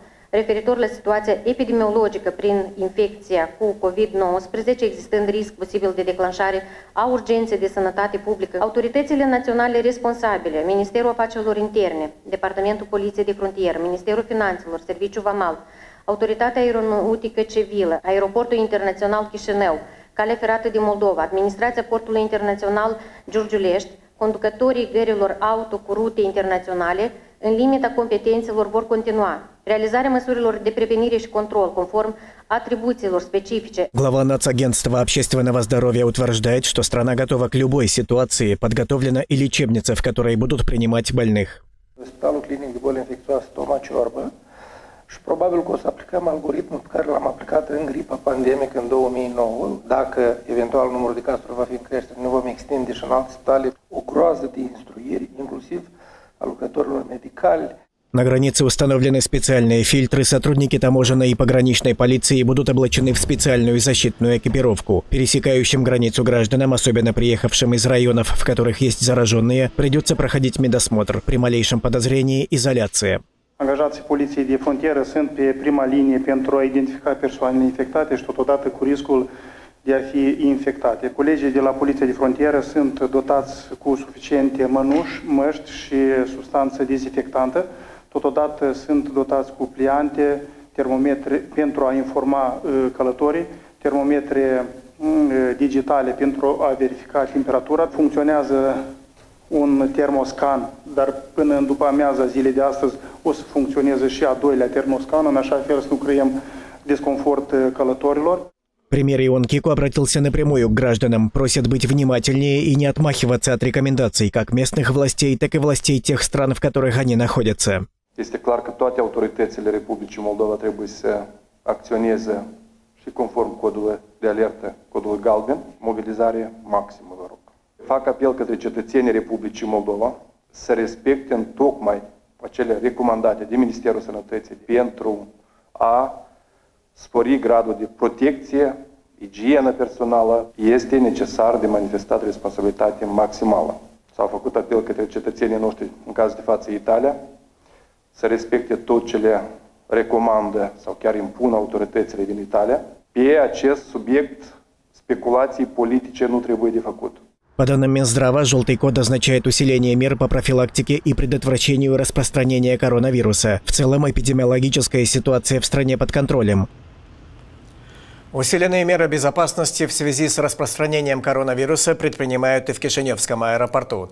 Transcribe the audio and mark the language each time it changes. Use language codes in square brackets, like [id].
[ro] Referitor la situația epidemiologică prin infecția cu COVID-19, existând risc posibil de declanșare a urgenței de sănătate publică, autoritățile naționale responsabile, Ministerul Afacerilor Interne, Departamentul Poliției de Frontieră, Ministerul Finanțelor, Serviciul Vamal, Autoritatea Aeronautică Civilă, Aeroportul Internațional Chișinău, Calea Ferată de Moldova, Administrația Portului Internațional Giurgiulești, conducătorii gărilor auto cu rute internaționale, în limita competențelor vor continua. Реализация мысурилор де превенире и контроль конформ атрибуцилор специфиче. [ru] Глава Нацагентства общественного здоровья утверждает, что страна готова к любой ситуации. Подготовлена и лечебница, в которой будут принимать больных. [ro] Спалу клиник боли инфекциоз Тома Чорба. Și probabil că o să aplicăm algoritmul pe care l-am aplicat în gripa pandemică în 2009. Dacă eventual numărul de cazuri va fi în creștere, ne vom extinde și în alte spitale o groază de instruiri, inclusiv a lucrătorilor medicali. [ru] На границе установлены специальные фильтры, сотрудники таможенной и пограничной полиции будут облачены в специальную защитную экипировку. Пересекающим границу гражданам, особенно приехавшим из районов, в которых есть зараженные, придется проходить медосмотр, при малейшем подозрении – изоляция. [ro] Angajații poliției de frontieră sunt pe prima linie pentru a identifica persoanele infectate și totodată cu riscul de a fi infectate. Colegii de la Poliția de Frontieră sunt dotați cu suficiente mănuși, măști și substanță dezinfectantă. Totodată sunt dotați cu pliante, termometre pentru a informa călătorii, termometre digitale pentru a verifica temperatura. Funcționează un termoscan, dar până în după amiaza zilei de astăzi o să funcționeze și a doilea termoscan, în așa fel să nu creăm disconfort călătorilor. [ru] Премьер Ион Кико обратился напрямую к гражданам, просят быть внимательнее и не отмахиваться от рекомендаций как местных властей, так и властей тех стран, в которых они находятся. [ro] Este clar că toate autoritățile Republicii Moldova trebuie să acționeze și conform codului de alertă, codului galben, mobilizare maximă, vă rog. Fac apel către cetățenii Republicii Moldova să respecte tocmai acele recomandate de Ministerul Sănătății pentru a spori gradul de protecție, igienă personală. Este necesar de manifestat responsabilitate maximală. S-au făcut apel către cetățenii noștri, în cazul de față Italia, să respecte tot ce le recomandă sau chiar impun autoritățile din Italia. Pe acest subiect speculații politice nu trebuie de făcut. [ru] По данным Минздрава, желтый код означает усиление мер по профилактике и предотвращению распространения коронавируса. В целом, эпидемиологическая ситуация в стране под контролем. Усиленные меры безопасности в связи с распространением коронавируса предпринимают и в Кишиневском аэропорту.